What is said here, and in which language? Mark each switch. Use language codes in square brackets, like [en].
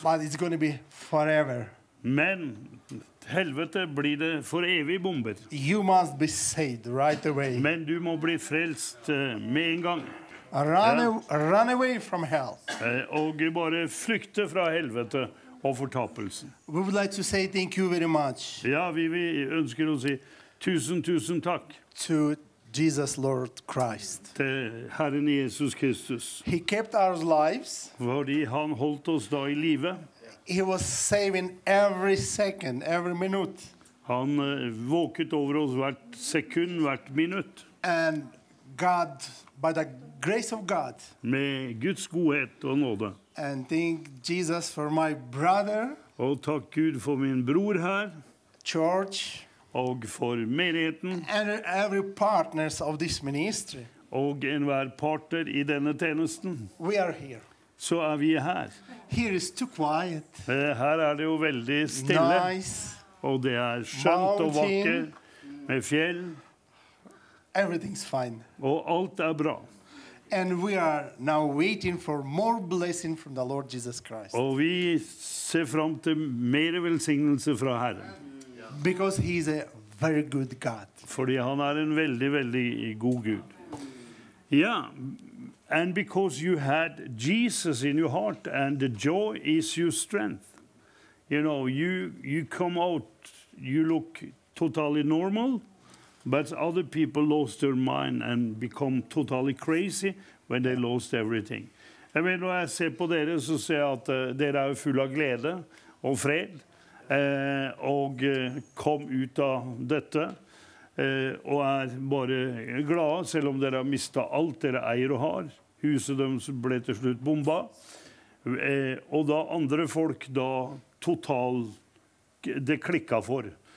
[en] But it's going to be forever. [no] Men helvete blir det for evig bomber. [en] You must be saved right away. [no] Men du må bli frelst med en gang. [en] Run away from hell. [no] Og bare flykte fra helvete og fortapelsen. [en] We would like to say thank you very much. [no] Ja, vi ønsker å si tusen, tusen takk. [en] To Jesus Lord Christ. [no] Til Herren Jesus Kristus. [en] He kept our lives. [no] Fordi han holdt oss da i livet. [en] He was saving every second, every minute. [no] Han våket over oss hvert sekund, hvert minutt. [en] And God, by the grace of God. [no] Med Guds godhet og nåde. [en] And thank Jesus for my brother. [no] Og takk Gud for min bror her. [en] George. [no] Og for menigheten. [en] And every partners of this ministry. [no] Og enhver partner i denne tjenesten. [en] We are here. [no] Så er vi her. [en] Here is too quiet. [no] Her er det jo veldig stille. [en] Nice. [no] Og det er skjønt og vakker. Med fjell. [en] Everything's fine. [no] Og alt er bra. [en] And we are now waiting for more blessing from the Lord Jesus Christ. [no] Og vi ser frem til mer velsignelse fra Herren. [en] Because he is a very good God. [no] Fordi han en veldig, veldig god Gud. [en] Yeah, and because you had Jesus in your heart and the joy is your strength. You know, you come out, you look totally normal, but other people lost their mind and become totally crazy when they lost everything. I mean, [no] når jeg ser på dere, så ser jeg at dere full av glede og fred. Og kom ut av dette og bare glad selv om dere har mistet alt dere eier og har. Huset deres ble til slutt bomba, og da andre folk da total det klikket for.